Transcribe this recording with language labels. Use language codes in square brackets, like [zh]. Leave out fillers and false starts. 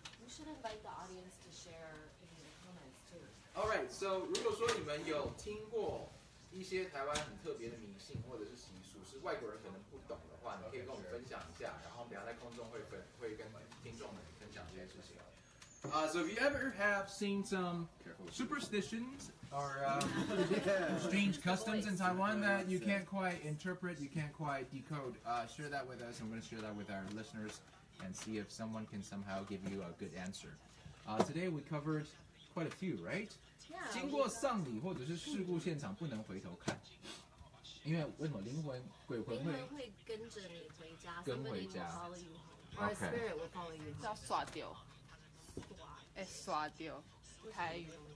[en] We should invite the audience to share in the comments too. All right, so [zh] 如果说你们有听过一些台湾很特别的迷信或者是习俗，是外国人可能不懂的话，你可以跟我们分享一下，然后我们俩在空中会跟听众们分享这些事情。 [en] So if you ever have seen some superstitions or strange customs in Taiwan that you can't quite interpret, you can't quite decode, share that with us. I'm going to share that with our listeners and see if someone can somehow give you a good answer. Today we covered quite a few, right? Yeah. [zh] 经过丧礼或者是事故现场不能回头看。因为为什么灵魂鬼魂会跟着你回家。跟回家。 [en] Or spirit will follow you. [zh] 要刷掉。刷掉，台语。